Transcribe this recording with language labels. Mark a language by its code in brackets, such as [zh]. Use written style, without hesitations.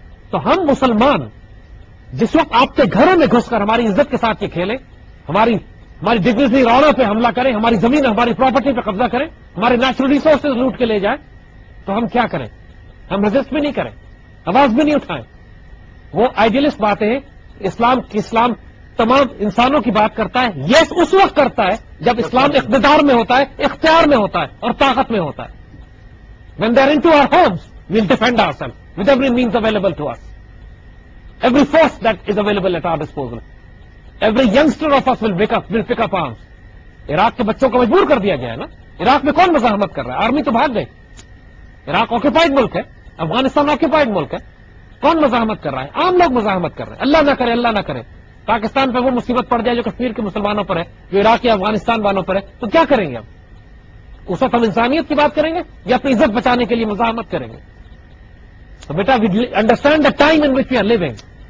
[ur] تو ہم مسلمان جس وقت آپ کے گھروں میں گھس کر ہماری عزت کے ساتھ یہ کھیلے, ہماری ڈگنیٹی رونوں پہ حملہ کریں, ہماری زمین ہماری پراپرٹی پہ قبضہ کریں, ہمارے نیچرل ریسورسز لوٹ کے لے جائیں, تو ہم کیا کریں؟ ہم ریزسٹ بھی نہیں کریں, آواز بھی نہیں اٹھائیں. وہ آئیڈیلسٹ باتیں ہیں. اسلام تمام انسانوں کی بات کرتا ہے. یس, اس وقت کرتا ہے جب اسلام اقتدار میں ہوتا ہے, اختیار میں ہوتا ہے اور طاقت میں ہوتا ہے. [en] When they are into our homes, we'll defend ourselves with every means available to us. Every force that is available at our disposal. Every youngster of us will pick up arms. [ur] Iraq کے بچوں کو مجبور کر دیا گیا ہے نا. عراق میں کون مزاحمت کر رہا ہے؟ آرمی تو بھاگ گئی. عراق آکوپائڈ ملک ہے, افغانستان آکوپائڈ ملک ہے, کون مزاحمت کر رہا ہے؟ عام لوگ مزاحمت کر رہے ہیں. اللہ نہ کرے, اللہ نہ کرے پاکستان پہ وہ مصیبت پڑ جائے جو کشمیر کے مسلمانوں پر ہے, جو عراق یا افغانستان والوں پر ہے, تو کیا کریں گے ہم؟ اس وقت ہم انسانیت کی بات کریں گے یا اپنی عزت بچانے کے لیے مزاحمت کریں گے؟ تو بیٹا, [en] Understand the time in which we are living.